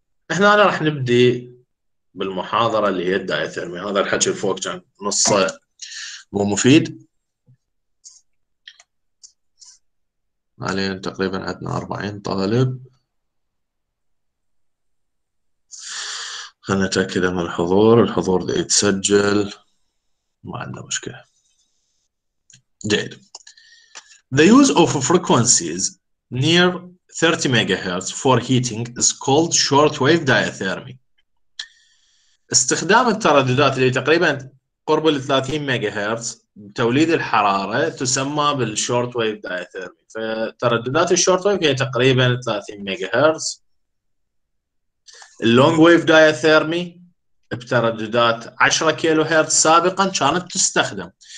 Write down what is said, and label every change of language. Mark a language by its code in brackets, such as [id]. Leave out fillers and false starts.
[ar] احنا انا راح نبدي بالمحاضره اللي هي الدايثيرمي، هذا الحكي فوق كان نص مو مفيد علينا، تقريبا عندنا 40 طالب. خلينا نتاكد من الحضور، الحضور ده يتسجل ما عندنا مشكله. جيد. [en] The use of frequencies near 30 MHz for heating is called short wave diathermy. [ar] استخدام الترددات اللي تقريبا قرب ال 30 ميجا هرتز بتوليد الحراره تسمى بالشورت ويف دايثيرمي. فترددات الشورت ويف هي تقريبا 30 ميجا هرتز. اللونج ويف دايثيرمي بترددات 10 كيلو هرتز سابقا كانت تستخدم.